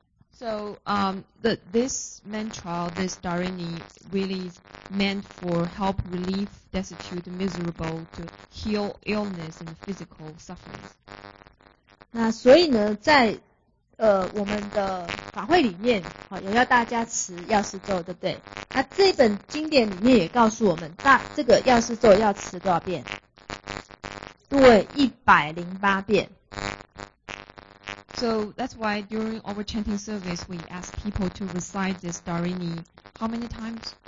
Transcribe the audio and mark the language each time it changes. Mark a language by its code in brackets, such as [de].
[en] So, this mantra, this Dharini, really is meant for help relieve destitute, miserable, to heal illness and physical sufferings. [zh] 那所以呢，在我们的法会里面，有要大家持药师咒，对不对？那这本经典里面也告诉我们，这个药师咒要持多少遍？对，108遍。 [en] So that's why during our chanting service, we ask people to recite this Dharini how many times?